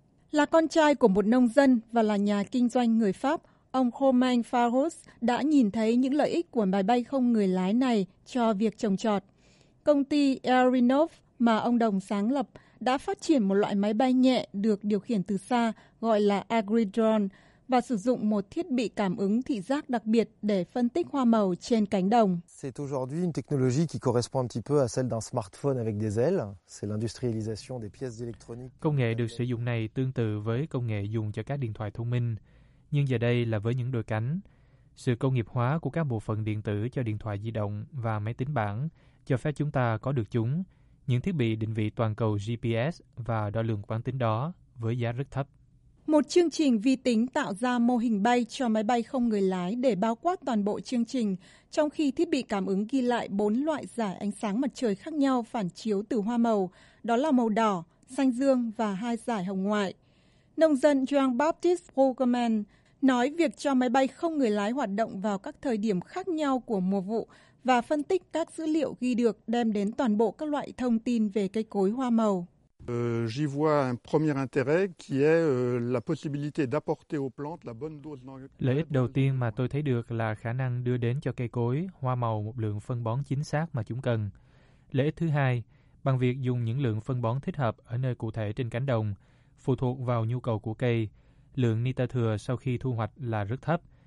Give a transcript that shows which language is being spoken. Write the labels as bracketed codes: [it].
[vi] Là con trai của một nông dân và là nhà kinh doanh người Pháp, ông Romain Farros đã nhìn thấy những lợi ích của máy bay không người lái này cho việc trồng trọt. Công ty Airinov mà ông đồng sáng lập đã phát triển một loại máy bay nhẹ được điều khiển từ xa gọi là AgriDrone và sử dụng một thiết bị cảm ứng thị giác đặc biệt để phân tích hoa màu trên cánh đồng. [fr] C'est aujourd'hui une technologie qui correspond un petit peu à celle d'un smartphone avec des ailes, c'est l'industrialisation des pièces électroniques. [vi] Công nghệ được sử dụng này tương tự với công nghệ dùng cho các điện thoại thông minh, nhưng giờ đây là với những đôi cánh. Sự công nghiệp hóa của các bộ phận điện tử cho điện thoại di động và máy tính bảng cho phép chúng ta có được chúng, những thiết bị định vị toàn cầu GPS và đo lường quán tính đó với giá rất thấp. Một chương trình vi tính tạo ra mô hình bay cho máy bay không người lái để bao quát toàn bộ chương trình, trong khi thiết bị cảm ứng ghi lại 4 loại dải ánh sáng mặt trời khác nhau phản chiếu từ hoa màu, đó là màu đỏ, xanh dương và 2 dải hồng ngoại. Nông dân Jean-Baptiste Bourgman nói việc cho máy bay không người lái hoạt động vào các thời điểm khác nhau của mùa vụ và phân tích các dữ liệu ghi được đem đến toàn bộ các loại thông tin về cây cối hoa màu. [fr] J'y vois un premier intérêt qui est la possibilité d'apporter aux plantes la bonne dose d'engrais. [vi] Lợi ích đầu tiên mà tôi thấy được là khả năng đưa đến cho cây cối, hoa màu một lượng phân bón chính xác mà chúng cần. Lợi ích thứ hai, bằng việc dùng những lượng phân bón thích hợp ở nơi cụ thể trên cánh đồng, phụ thuộc vào nhu cầu của cây, lượng nitơ thừa sau khi thu hoạch là rất thấp.